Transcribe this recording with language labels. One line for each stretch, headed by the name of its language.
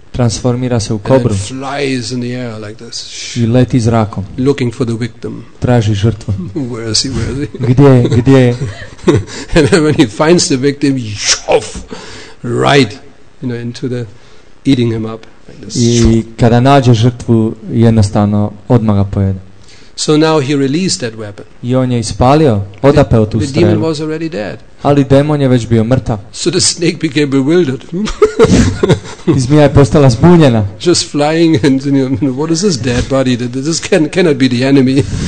Croatian: Transformira se u kobru.
English: And it flies in the air like this.
Croatian: I leti zrakom.
English: Looking for the victim.
Croatian: Traži žrtvu.
English: Where is he?
Croatian: Gdje je?
English: And then when he finds the victim, right, you know, into the eating him up.
Croatian: I kada nađe žrtvu, jednostavno odmah ga pojede.
English: So now he released that weapon.
Croatian: I on je ispalio, odapeo tu strelu.
English: The demon was already dead.
Croatian: Ali demon je već bio mrtav.
English: So the snake became bewildered.
Croatian: Zmija je postala zbunjena.
English: Just flying and you know, what is this dead body? This cannot be the enemy.